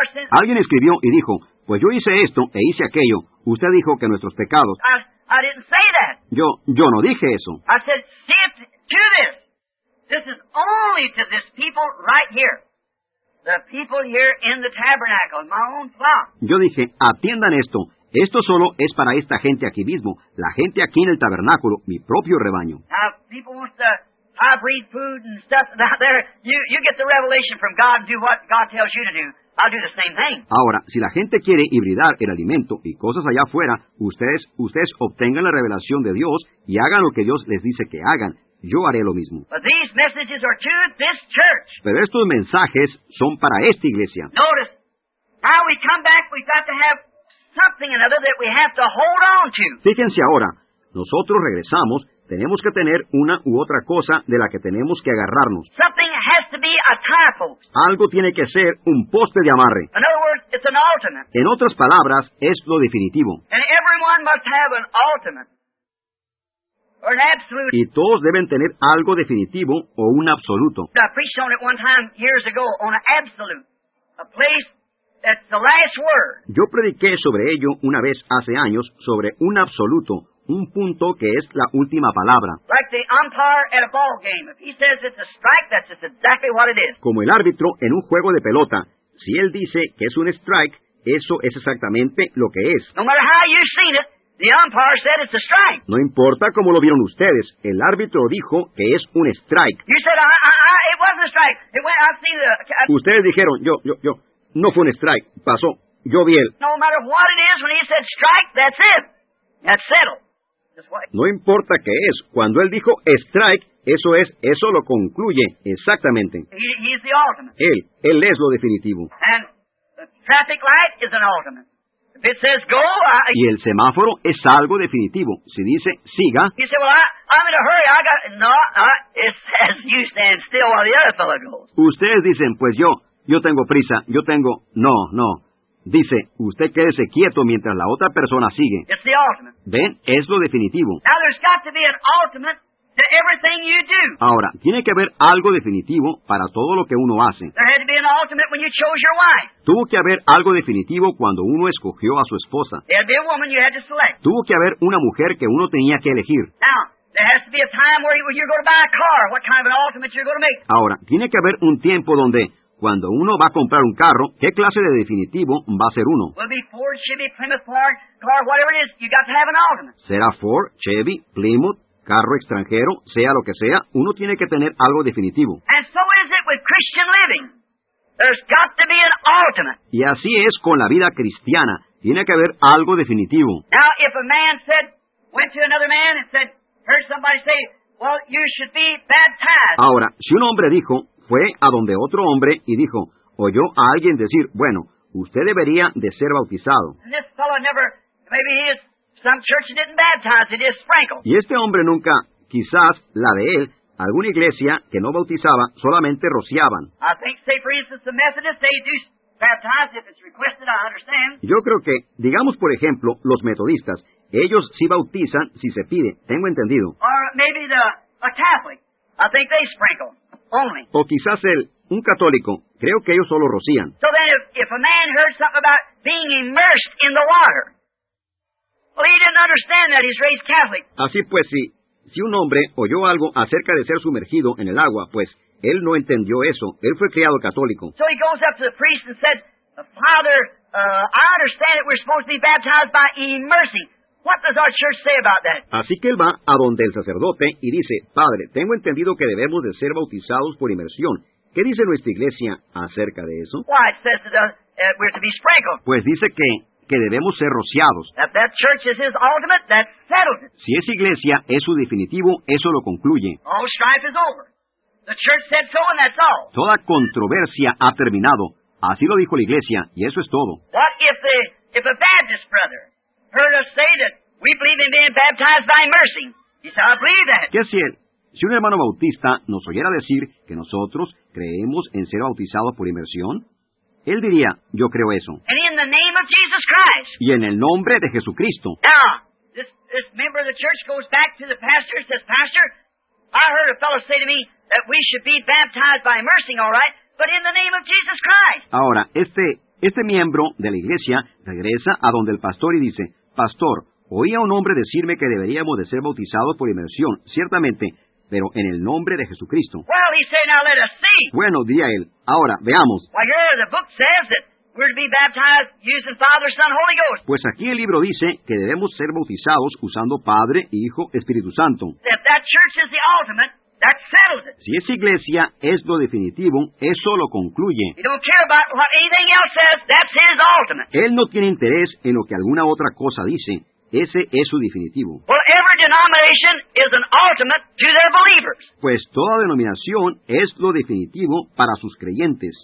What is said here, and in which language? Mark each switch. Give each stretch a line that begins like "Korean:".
Spanish: Alguien escribió y dijo, pues yo hice esto e hice aquello. Usted dijo que nuestros pecados...
English: I didn't say that.
Spanish: Yo no dije eso.
English: I said, shift to this. This is only to this people right here. The people here in the tabernacle, my own flock.
Spanish: Yo dije, atiendan esto. Esto solo es para esta gente aquí mismo, la gente aquí en el tabernáculo, mi propio rebaño.
English: Now, people want the high-breed food and stuff out there. You get the revelation from God and do what God tells you to do. I'll do the same thing.
Spanish: Ahora, si la gente quiere hibridar el alimento y cosas allá afuera, ustedes obtengan la revelación de Dios y hagan lo que Dios les dice que hagan. Yo haré lo mismo.
English: But these messages are to this church.
Spanish: Pero estos mensajes son para esta iglesia.
English: Notice, how we come back, we've got to have something or another that we have to hold on to.
Spanish: Fíjense ahora, nosotros regresamos, tenemos que tener una u otra cosa de la que tenemos que agarrarnos.
English: Something has to be a tie, folks.
Spanish: Algo tiene que ser un poste de amarre.
English: In other words, it's an ultimate.
Spanish: En otras palabras, es lo definitivo.
English: And everyone must have an ultimate.
Spanish: Y todos deben tener algo definitivo o un absoluto.
English: I preached on it one time years ago on an absolute, a place that's the last word.
Spanish: Yo prediqué sobre ello una vez hace años sobre un absoluto, un punto que es la última palabra.
English: Like the umpire at a ball game, if he says it's a strike, that's just exactly what it is.
Spanish: Como el árbitro en un juego de pelota, si él dice que es un strike, eso es exactamente lo que es.
English: No matter how you've seen it. The umpire said it's a strike.
Spanish: No importa cómo lo vieron ustedes, el árbitro dijo que es un strike.
English: You said, it wasn't a strike. It went, I see the...
Spanish: Ustedes dijeron, yo, no fue un strike, pasó, yo vi él.
English: No matter what it is, when he said strike, that's it. That's settled. That's what...
Spanish: No importa qué es, cuando él dijo strike, eso es, eso lo concluye exactamente.
English: He's the ultimate.
Spanish: Él es lo definitivo.
English: And the traffic light is an ultimate. If it says go,
Spanish: y el semáforo es algo definitivo. Si dice siga,
English: you say, well, I'm in a hurry. It says you stand still while the other fellow goes.
Spanish: Ustedes dicen, pues yo tengo prisa. Yo tengo, no. Dice, usted quédese quieto mientras la otra persona sigue.
English: It's the ultimate.
Spanish: Ven, es lo definitivo.
English: Now there's got to be an ultimate to everything you do.
Spanish: Ahora, tiene que haber algo definitivo para todo lo que uno hace.
English: There had to be an ultimate when you chose your wife.
Spanish: Tuvo que haber algo definitivo cuando uno escogió a su esposa.
English: There had to be a woman you had to select.
Spanish: Tuvo que haber una mujer que uno tenía que elegir.
English: Now, there has to be a time where you're going to buy a car, what kind of an ultimate you're going to make.
Spanish: Ahora, tiene que haber un tiempo donde, cuando uno va a comprar un carro, ¿qué clase de definitivo va a ser uno?
English: Will it be Ford, Chevy, Plymouth, Park, car, whatever it is, you got to have an ultimate.
Spanish: ¿Será Ford, Chevy, Plymouth, carro extranjero, sea lo que sea, uno tiene que tener algo definitivo?
English: And so is it with Christian living. There's got to be an ultimate.
Spanish: Y así es con la vida cristiana. Tiene que haber algo definitivo.
English: Now, if a man said, went to another man and said, heard somebody say, well, you should be baptized.
Spanish: Ahora, si un hombre dijo, fue a donde otro hombre y dijo, oyó a alguien decir, bueno, usted debería de ser bautizado.
English: And this fellow never, maybe he is, some church didn't baptize, it is sprinkled.
Spanish: Y este hombre nunca, quizás la de él, alguna iglesia que no bautizaba, solamente rociaban.
English: I think, say for instance, the Methodists, they do baptize if it's requested, I understand.
Spanish: Yo creo que, digamos por ejemplo, los metodistas, ellos sí bautizan si se pide, tengo entendido.
English: Or maybe a Catholic, I think they sprinkle only.
Spanish: O quizás un católico, creo que ellos solo rocían.
English: So then if a man heard something about being immersed in the water, well, he didn't understand that he's raised Catholic.
Spanish: Así pues, si un hombre oyó algo acerca de ser sumergido en el agua, pues él no entendió eso. Él fue criado católico.
English: So he goes up to the priest and said, Father, I understand that we're supposed to be baptized by immersing. What does our church say about that?
Spanish: Así que él va a donde el sacerdote y dice, Padre, tengo entendido que debemos de ser bautizados por inmersión. ¿Qué dice nuestra iglesia acerca de eso?
English: Why, it says that we're to be sprinkled.
Spanish: Pues dice que debemos ser rociados.
English: If that church is his ultimate, that settles it.
Spanish: Si esa iglesia es su definitivo, eso lo concluye.
English: All strife is over. The church said so, and that's all.
Spanish: Toda controversia ha terminado. Así lo dijo la iglesia, y eso es todo.
English: What if a Baptist brother heard us say that we believe in being baptized by mercy? He said, I believe that.
Spanish: ¿Qué si un hermano bautista nos oyera decir que nosotros creemos en ser bautizados por inmersión? Él diría, yo creo eso.
English: And in the name of Jesus Christ.
Spanish: Y en el nombre de Jesucristo.
English: Now, this member of the church goes back to the pastor and says, Pastor, I heard a fellow say to me that we should be baptized by immersing, all right, but in the name of Jesus Christ.
Spanish: Ahora, este miembro de la iglesia regresa a donde el pastor y dice, Pastor, oí a un hombre decirme que deberíamos de ser bautizados por inmersión, ciertamente, pero en el nombre de Jesucristo.
English: Well, he said, now let us see.
Spanish: Bueno, diría él, ahora, veamos.
English: Well, here the book says that We're to be baptized using Father, Son, Holy Ghost.
Spanish: Pues aquí el libro dice que debemos ser bautizados usando Padre, Hijo, Espíritu Santo.
English: If that church is the ultimate, that settles it.
Spanish: Si esa iglesia es lo definitivo, eso lo concluye.
English: He don't care about what anything else says, that's his ultimate.
Spanish: Él no tiene interés en lo que alguna otra cosa dice. Ese es su definitivo.
English: Well, every denomination is an ultimate to their believers.
Spanish: Pues toda denominación es lo definitivo para sus creyentes.